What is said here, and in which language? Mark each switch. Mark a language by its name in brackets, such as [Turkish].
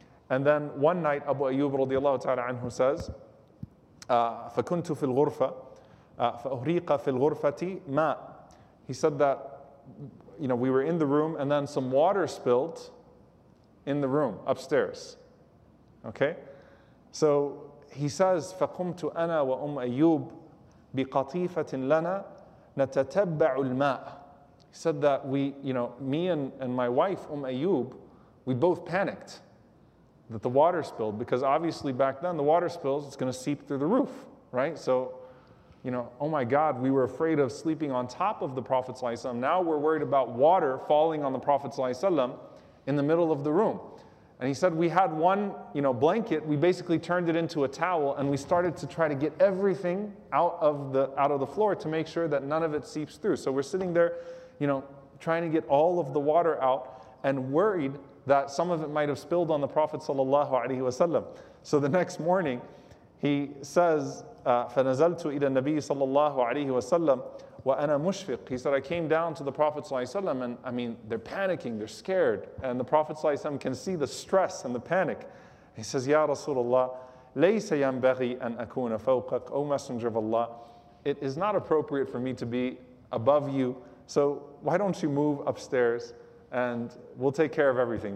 [English] And then one night, Abu Ayyub radiallahu ta'ala anhu says, [Arabic] فَكُنْتُ فِي الْغُرْفَةِ فَأُهْرِيقَ فِي الْغُرْفَةِ مَا. [English] He said that, you know, we were in the room and then some water spilled in the room upstairs. Okay? So he says, [Arabic] فَقُمْتُ أَنَا وَأُمْ أَيُّوب بِقَطِيفَةٍ لَنَا نَتَتَبَّعُ الْمَاءِ. [English] He said that we, you know, me and my wife, Ayyub, we both panicked that the water spilled, because obviously back then the water spills, it's going to seep through the roof, right? So, you know, oh my God, we were afraid of sleeping on top of the Prophet ﷺ. Now we're worried about water falling on the Prophet ﷺ in the middle of the room. And he said we had one, you know, blanket, we basically turned it into a towel and we started to try to get everything out of the floor to make sure that none of it seeps through. So we're sitting there, you know, trying to get all of the water out and worried that some of it might have spilled on the Prophet sallallahu alaihi wasallam. So the next morning, he says, [Arabic] فَنَزَلْتُ إِلَى النَّبِيِّ صَلَى اللَّهُ عَلَيْهِ وَسَلَّمْ وَأَنَا مُشْفِقْ. [English] He said, I came down to the Prophet sallallahu alaihi wasallam, and I mean, they're panicking, they're scared. And the Prophet sallallahu alaihi wasallam can see the stress and the panic. He says, [Arabic] يَا رَسُولَ اللَّهِ لَيْسَ يَنْبَغِي أَنْ أَكُونَ فَوْقَكْ [English] O Messenger of Allah, it is not appropriate for me to be above you, so why don't you move upstairs and we'll take care of everything.